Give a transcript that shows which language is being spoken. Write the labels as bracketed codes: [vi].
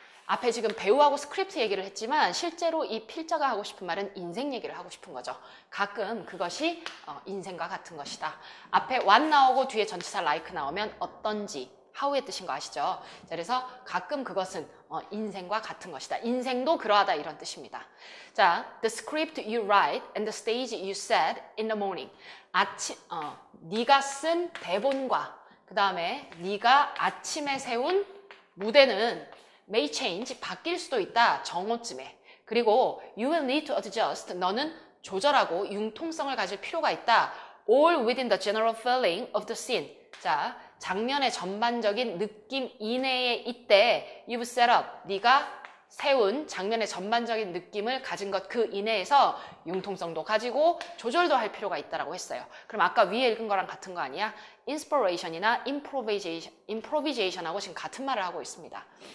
[ko] 앞에 지금 배우하고 스크립트 얘기를 했지만 실제로 이 필자가 하고 싶은 말은 인생 얘기를 하고 싶은 거죠. 가끔 그것이 인생과 같은 것이다. 앞에 what 나오고 뒤에 전치사 like 나오면 어떤지, how의 뜻인 거 아시죠? 자, 그래서 가끔 그것은 인생과 같은 것이다. 인생도 그러하다 이런 뜻입니다. [en] 자, the script you write and the stage you set in the morning. [ko] 네가 쓴 대본과 그다음에 네가 아침에 세운 무대는 May change, 바뀔 수도 있다, 정오쯤에. 그리고 you will need to adjust, 너는 조절하고 융통성을 가질 필요가 있다. [en] All within the general feeling of the scene. [ko] 자, 장면의 전반적인 느낌 이내에 이때 you've set up, 네가 세운 장면의 전반적인 느낌을 가진 것그 이내에서 융통성도 가지고 조절도 할 필요가 있다라고 했어요. 그럼 아까 위에 읽은 거랑 같은 거 아니야? Inspiration이나 improvisation하고 지금 같은 말을 하고 있습니다.